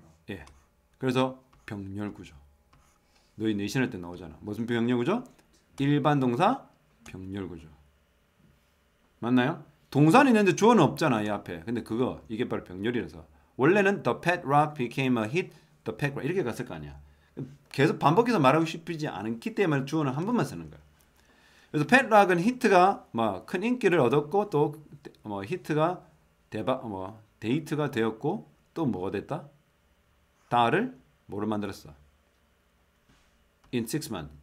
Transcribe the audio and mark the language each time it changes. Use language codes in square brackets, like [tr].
[ko] 예. 그래서 병렬 구조. 너희 내신할 때 나오잖아. 무슨 병렬 구조? 일반 동사 병렬 구조. 맞나요? 동사는 있는데 주어는 없잖아. 이 앞에. 근데 그거 이게 바로 병렬이라서. [en] 원래는 the pet rock became a hit. [ko] The pet rock 이렇게 갔을 거 아니야. 계속 반복해서 말하고 싶지 않기 때문에 주어는 한 번만 쓰는 거야. 그래서 pet rock은 히트가 뭐 큰 인기를 얻었고 또 뭐 히트가 대박 뭐 데이트가 되었고 또 뭐가 됐다? 달을 뭐를 만들었어? In 6 months.